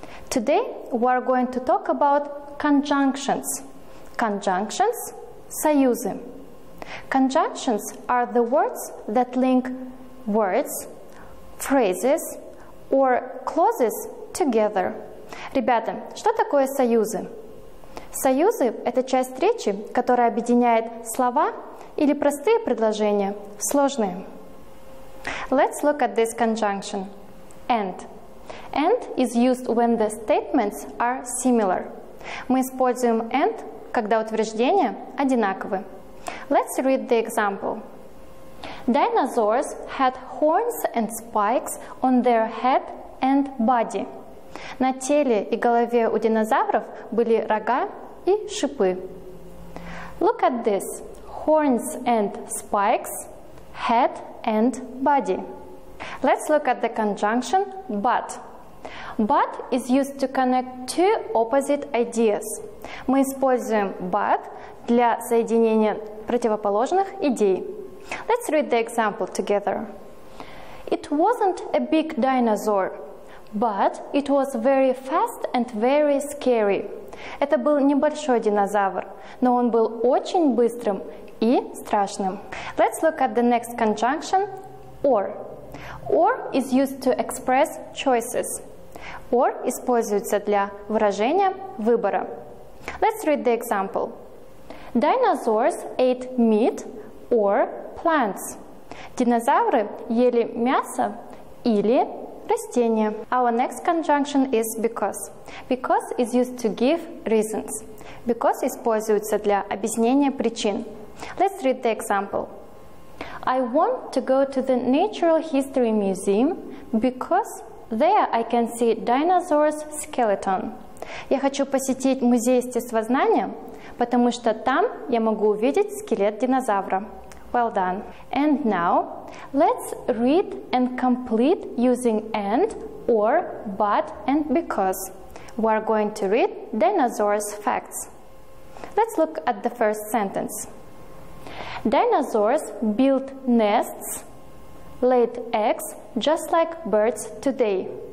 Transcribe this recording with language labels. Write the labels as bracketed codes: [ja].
[en] Today we are going to talk about conjunctions. Conjunctions – союзы. Conjunctions are the words that link words, phrases or clauses together. [ru] Ребята, что такое союзы? Союзы – это часть речи, которая объединяет слова или простые предложения в сложные. [en] Let's look at this conjunction. And. And is used when the statements are similar. [ru] Мы используем and, когда утверждения одинаковы. [en] Let's read the example. Dinosaurs had horns and spikes on their head and body. [ru] На теле и голове у динозавров были рога и шипы. [en] Look at this. Horns and spikes, head and body. Let's look at the conjunction but. But is used to connect two opposite ideas. [ru] Мы используем but для соединения противоположных идей. [en] Let's read the example together. It wasn't a big dinosaur, but it was very fast and very scary. [ru] Это был небольшой динозавр, но он был очень быстрым и страшным. [en] Let's look at the next conjunction, or. Or is used to express choices. [ru] Or используется для выражения выбора. [en] Let's read the example. Dinosaurs ate meat or plants. [ru] Динозавры ели мясо или растения. [en] Our next conjunction is because. Because is used to give reasons. [ru] Because используется для объяснения причин. [en] Let's read the example. I want to go to the Natural History Museum because there I can see dinosaurs skeleton. [ru] Я хочу посетить музей естествознания, потому что там я могу увидеть скелет динозавра. [en] Well done. And now, let's read and complete using and, or, but, and because. We are going to read dinosaurs facts. Let's look at the first sentence. Dinosaurs built nests, laid eggs, just like birds today.